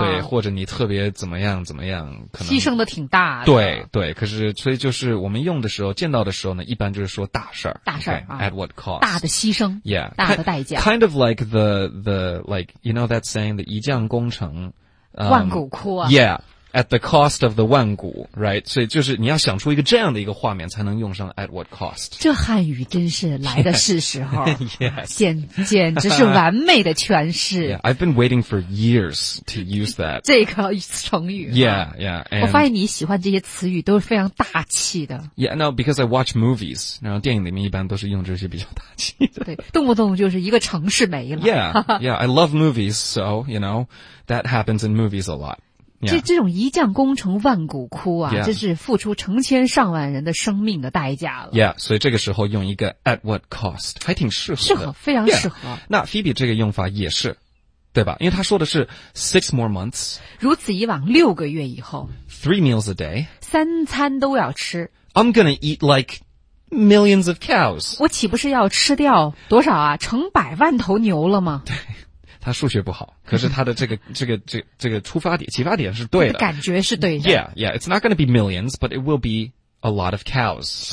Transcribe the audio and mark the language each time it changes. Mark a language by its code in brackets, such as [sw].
[zh] 对，或者你特别怎么样，可能牺牲的挺大的，对对，可是所以就是我们用的时候见到的时候呢，一般就是说大事儿 [en] okay, 啊，at what cost， [zh] 大的牺牲 [en] ，yeah， [zh] 大的代价 [en] ，kind of like the like you know that saying the [zh] 一将功成、万骨枯啊，yeah。 [en] At the cost of the [zh] 万古 right? 所以就是你要想出一个这样的一个画面才能用上 at what cost? 这汉语真是来的是时候。 [en] Yes. [zh] 简直是完美的诠释。 [en] Yeah, I've been waiting for years to use that. [zh] 这个成语。 [en] Yeah, yeah. And [zh] 我发现你喜欢这些词语都是非常大气的。 [en] Yeah, no, because I watch movies. [zh] 然后电影里面一般都是用这些比较大气的。对，动不动就是一个城市没了。 [en] Yeah, yeah, I love movies, so, you know, that happens in movies a lot. Yeah. [zh] 这种一将功成万骨枯啊、 [en] yeah. [zh] 这是付出成千上万人的生命的代价了。 Yeah, 所以这个时候用一个 at what cost, 还挺适合的。适合，非常适合。 Yeah. 那 Phoebe 这个用法也是，对吧？因为他说的是 [en] six more months。 [zh] 如此以往六个月以后。 [en] Three meals a day。 [zh] 三餐都要吃。 [en] I'm gonna eat like millions of cows。 [zh] 我岂不是要吃掉多少啊，成百万头牛了吗？对。他数学不好，可是他的这个出发点、启发点是对的，感觉是对的。 [en] Yeah, yeah, it's not going to be millions, but it will be a lot of cows.